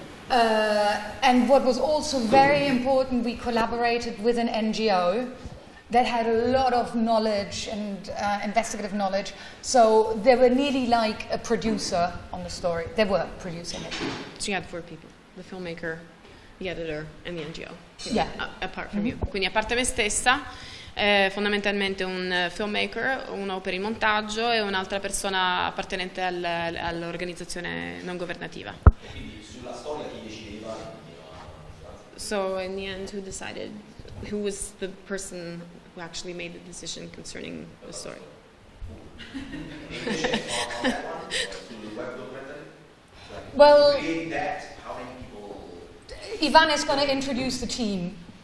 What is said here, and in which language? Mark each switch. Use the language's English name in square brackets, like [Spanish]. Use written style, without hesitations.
[English] And what was also very important, we collaborated with an NGO that had a lot of knowledge and investigative knowledge, so they were nearly like a producer on the story. They were producing it. So you had four people, the filmmaker, the editor and the NGO. Yeah. Apart from you. [Italian] Quindi a parte me stessa, fondamentalmente un filmmaker, uno per il montaggio e un'altra persona appartenente all'organizzazione non governativa. [English] So in the end, who decided? Who was the person who actually made the decision concerning the story? Well, Ivan is going to introduce the team.